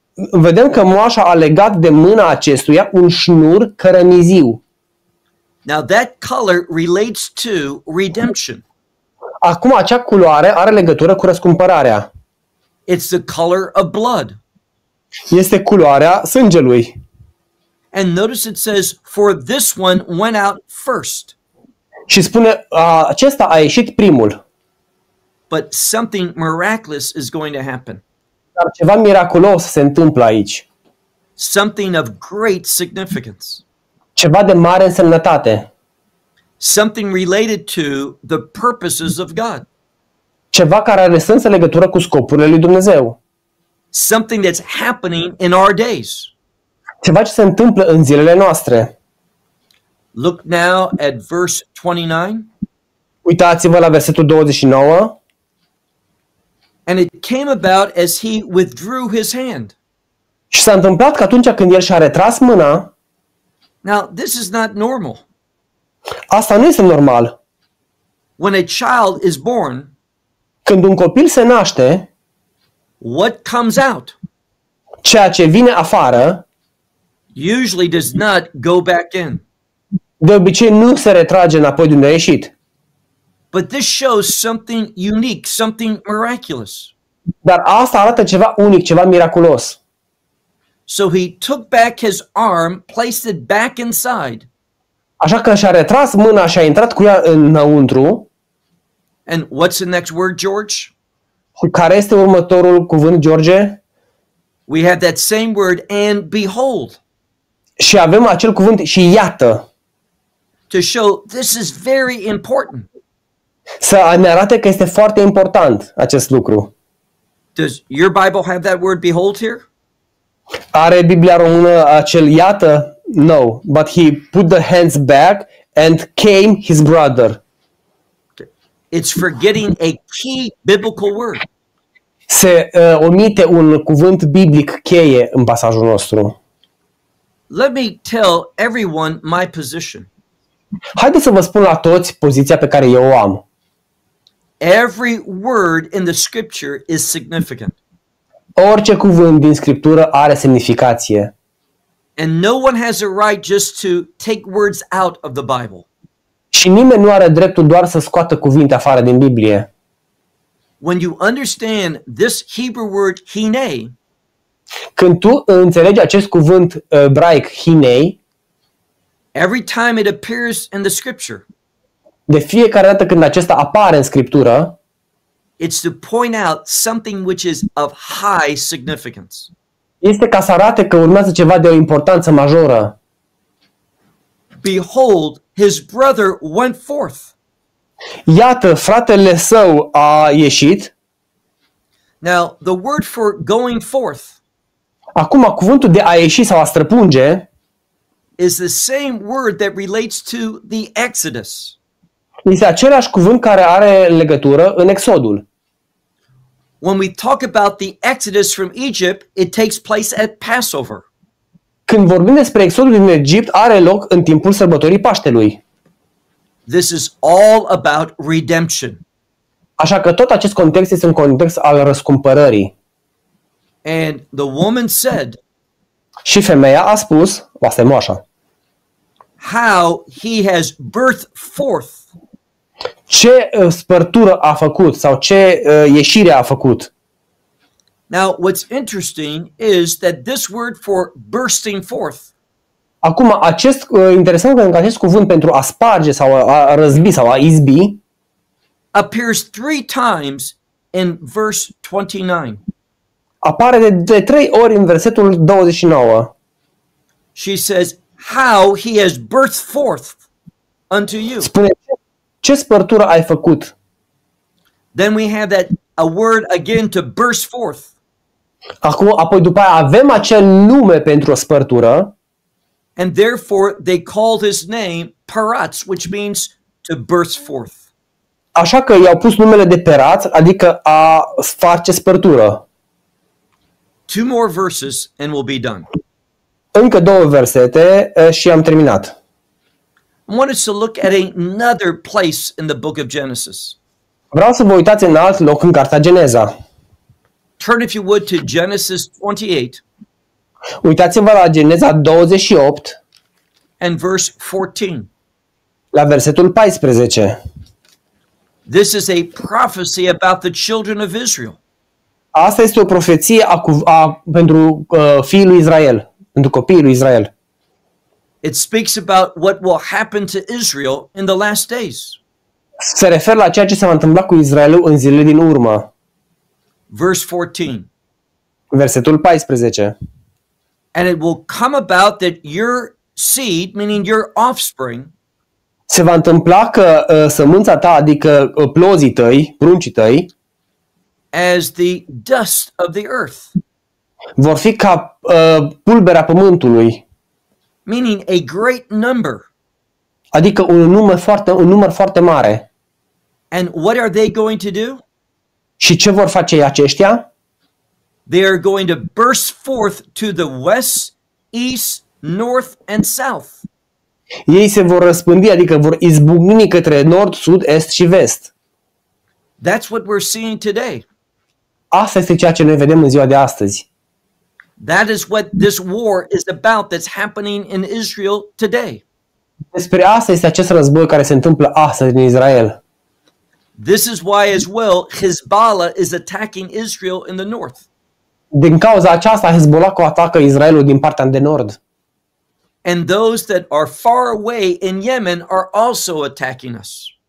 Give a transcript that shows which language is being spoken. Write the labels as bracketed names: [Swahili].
[Romanian] Vedem că moașa a legat de mâna acestuia un șnur cărămiziu. [English] Now that color relates to redemption. [Romanian] Acum acea culoare are legătură cu răscumpărarea. [English] It's the color of blood. [Romanian] Este culoarea sângelui. [English] And notice it says for this one went out first. [Romanian] Și spune acesta a ieșit primul. [English] But something miraculous is going to happen. [Romanian] Dar ceva miraculos se întâmplă aici. [English] Something of great significance. [Romanian] Ceva de mare însemnătate. [English] Something related to the purposes of God. [Romanian] Ceva care are esență legătură cu scopurile lui Dumnezeu. [English] Something that's happening in our days. [Romanian] Ceva ce se întâmplă în zilele noastre. [English] Look now at verse 29. [Romanian] Uitați-vă la versetul 29. [English] And it came about as he withdrew his hand. [Romanian] Și s-a întâmplat că atunci când el și-a retras mâna. [English] Now, this is not normal. [Romanian] Asta nu este normal. [English] When a child is born, [Romanian] când un copil se naște, [English] what comes out? [Romanian] Ceea ce vine afară [English] usually does not go back in. [Romanian] De obicei nu se retrage înapoi de unde a ieșit. [English] But this shows something unique, something miraculous. [Romanian] Dar asta arată ceva unic, ceva miraculos. [English] So he took back his arm, placed it back inside. [Romanian] Așa că și-a retras mâna și a intrat cu ea înăuntru. [English] And what's the next word, George? [Romanian] Care este următorul cuvânt, George? [English] We have that same word, and behold. [Romanian] Și avem acel cuvânt și iată. [English] To show this is very important. [Romanian] Să ne arate că este foarte important acest lucru. [English] Does your Bible have that word behold here? [Romanian] Are Biblia română acel iată? [English] No, but he put the hands back and came his brother. It's forgetting a key biblical word. [Romanian] Se omite un cuvânt biblic cheie în pasajul nostru. [English] Let me tell everyone my position. [Romanian] Haideți să vă spun la toți poziția pe care eu o am. [English] Every word in the scripture is significant. [Romanian] Orice cuvânt din Scriptură are semnificație. [English] And no one has a right just to take words out of the Bible. [Romanian] Și nimeni nu are dreptul doar să scoată cuvinte afară din Biblie. [English] When you understand this Hebrew word hine, [Romanian] când tu înțelegi acest cuvânt ebraic hine, [English] every time it appears in the scripture, [Romanian] de fiecare dată când acesta apare în Scriptură, [English] it's to point out something which is of high significance. [Romanian] Este ca să arate că urmează ceva de o importanță majoră. [English] Behold, his brother went forth. [Romanian] Iată, fratele său a ieșit. [English] Now, the word for going forth. [Romanian] Acum, cuvântul de a ieși sau a străpunge [English] is the same word that relates to the Exodus. [Romanian] Este același cuvânt care are legătură în Exodul. [English] When we talk about the Exodus from Egypt, it takes place at Passover. [Romanian] Când vorbim despre Exodul din Egipt, are loc în timpul sărbătorii Paștelui. [English] This is all about redemption. [Romanian] Așa că tot acest context este un context al răscumpărării. [English] And the woman said, [Romanian] și femeia a spus, lasă-mă așa, [English] how he has birthed forth. [Romanian] Ce spărtură a făcut sau ce ieșire a făcut? [English] Now, what's interesting is that this word for bursting forth. [Romanian] Acum, acest interesant că acest cuvânt pentru a sparge sau a răzbi sau a izbi [English] appears three times in verse 29. [Romanian] Apare de trei ori în versetul 29. [English] She says, "How he has burst forth unto you." [Romanian] Spune, ce spărtură ai făcut? [English] Then we have that a word again to burst forth. [Romanian] Acum, apoi după aia avem acel nume pentru o spărtură. [English] And therefore they called his name Peretz, which means to burst forth. [Romanian] Așa că i-au pus numele de Peretz, adică a face spărtură. [English] Two more verses and we'll be done. [Romanian] Încă două versete și am terminat. [English] I want us to look at another place in the book of Genesis. [Romanian] Vreau să vă uitați în alt loc în cartea Geneza. [English] Turn if you would to Genesis 28. [Romanian] Uitați-vă la Geneza 28 [English] and verse 14. [Romanian] La versetul 14. [English] This is a prophecy about the children of Israel. [Romanian] Asta este o profeție pentru fiul lui Israel, pentru copiii lui Israel. [English] It speaks about what will happen to Israel in the last days. [Romanian] Se referă la ceea ce se va întâmpla cu Israelul în zilele din urmă. [English] Verse 14. [Romanian] Versetul 14. [English] And it will come about that your seed, meaning your offspring, [Romanian] se va întâmpla că sămânța ta, adică plozii tăi, pruncii tăi, [English] as the dust of the earth, [Romanian] vor fi ca pulberea pământului. [English] Meaning a great number. [Romanian] Adică un număr foarte mare. [English] And what are they going to do? [Romanian] Și ce vor face aceștia? [English] They are going to burst forth to the west, east, north and south. [Romanian] Ei se vor răspândi, adică vor izbucni către nord, sud, est și vest. [English] That's what we're seeing today. [Romanian] Asta este ceea ce noi vedem în ziua de astăzi. [English] That is what this war is about that's happening in Israel today. [Romanian] Despre asta este acest război care se întâmplă astăzi în Israel. [English] This is why as well Hezbollah is attacking Israel in the north. [Romanian] Din cauza aceasta Hezbollah atacă Israelul din partea de nord. [English] And those that are far away in Yemen are also attacking us.